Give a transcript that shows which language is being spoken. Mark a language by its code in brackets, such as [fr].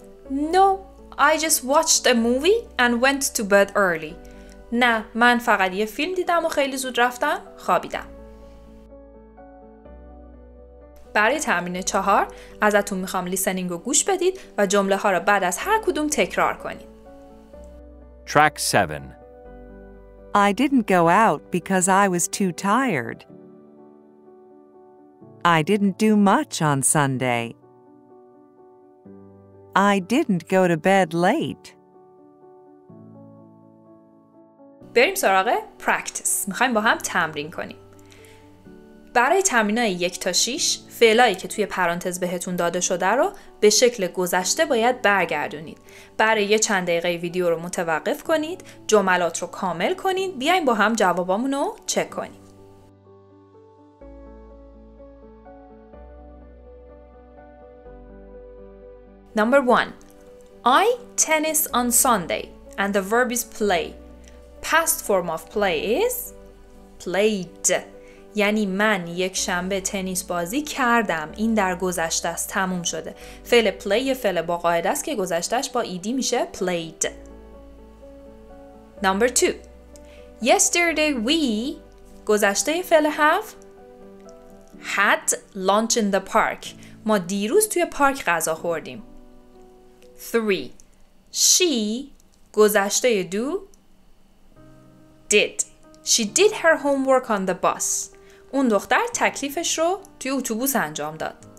[en] No, I just watched a movie and went to bed early. [fa] نه، من فقط یه فیلم دیدم و خیلی زود رفتم خوابیدم. برای تمرین 4 ازتون میخوام لیسنینگ رو گوش بدید و جمله ها رو بعد از هر کدوم تکرار کنید. [en] Track 7. I didn't go out because I was too tired. I didn't do much on Sunday. I didn't go to bed late. [fa] بریم سراغ پرکتیس. میخوایم با هم تمرین کنیم. برای تمرینای 1 تا 6 فعلایی که توی پرانتز بهتون داده شده رو به شکل گذشته باید برگردونید. برای یه چند دقیقه ویدیو رو متوقف کنید، جملات رو کامل کنید، بیاین با هم جوابامون رو چک کنیم. [en] Number 1. I tennis on Sunday and the verb is play. Past form of play is played. [fa] یعنی من یک شنبه تنیس بازی کردم. این در گذشته است، تموم شده. فعل play یه فعل با قاعده است که گذشتهش با ایدی میشه played. [en] Number 2. Yesterday we [fa] گذشته فعل [en] have had lunch in the park. [fa] ما دیروز توی پارک غذا خوردیم. [en] 3. She [fa] گذشته [en] do did. She did her homework on the bus. [fa] اون دختر تکلیفش رو توی اتوبوس انجام داد.